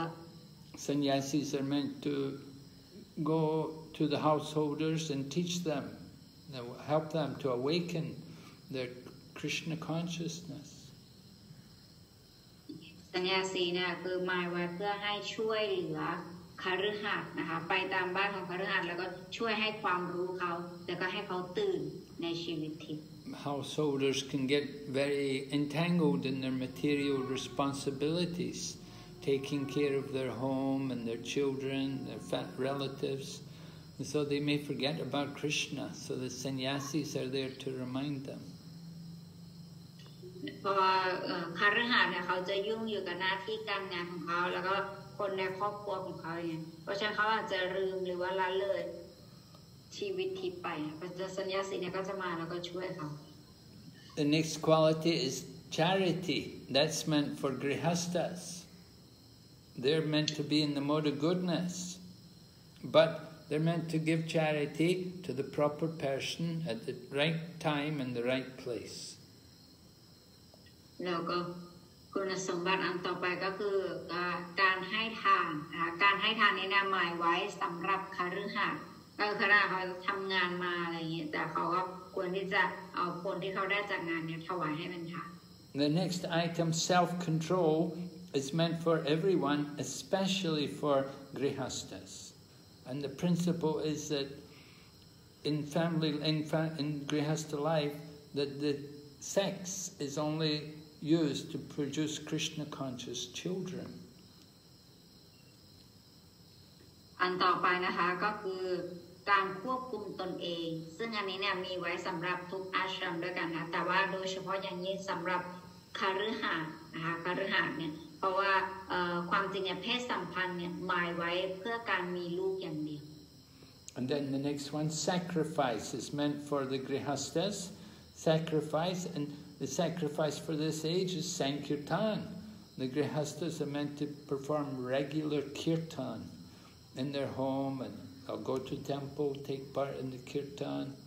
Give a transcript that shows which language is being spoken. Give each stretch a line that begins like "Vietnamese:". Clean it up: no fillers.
English: สัญญาสี are meant to go to the householders and teach them help them to awaken their Krishna consciousness
Thai: สัญญาสีนะคือหมายไว้เพื่อให้ช่วยเหลือคฤหัสถ์นะคะไปตามบ้านของคฤหัสถ์แล้วก็ช่วยให้ความรู้เขาแล้วก็ให้เขาตื่นในชีวิตทิพย์
English: Householders can get very entangled in their material responsibilities taking care of their home and their children their fat relatives and so they may forget about Krishna so the sannyasis are there to remind them
Thai: เพราะว่าคฤหัสถ์เนี่ยเขาจะยุ่งอยู่กับหน้าที่การงานของเขาแล้วก็คนในครอบครัวของเขาเนี่ยเพราะฉะนั้นเขาอาจจะลืมหรือว่าละเลยชีวิตทิพย์ไปนะสัญญาสีเนี่ยก็จะมาแล้วก็ช่วยเขา
English: The next quality is charity that's meant for grihasthas they're meant to be in the mode of goodness butThey're meant to give charity to the proper person at the right time and the right place.
Thai: แล้วก็คุณสมบัติอันต่อไปก็คือการให้ทานการให้ทานนี้นะหมายไว้สำหรับคฤหัสถ์ก็คือคฤหัสถ์เขาทำงานมาอะไรอย่างนี้แต่เขาก็ควรที่จะเอาผลที่เขาได้จากงานนี้ถวายให้เป็นทาน
English: The next item, self-control, is meant for everyone, especially for grihasthas. And the principle is that in family, in grihastha life, that the sex is only used to produce Krishna conscious children.
Thai: And ต่อไปนะคะก็คือการควบคุมตนเองซึ่งอันนี้เนี่ยมีไว้สำหรับทุกอาชรมด้วยกันนะแต่ว่าโดยเฉพาะอย่างยิ่งสำหรับคฤหัสถ์นะคะคฤหัสถ์เนี่ยเพราะว่าความจริงเนี่ยเพศสัมพันธ์เนี่ยหมายไว้เพื่อการมีลูกอย่างเดียว
English: And then the next one sacrifice is meant for the grihasthas sacrifice and the sacrifice for this age is sankirtan the grihasthas are meant to perform regular kirtan in their home and they'll go to temple take part in the kirtan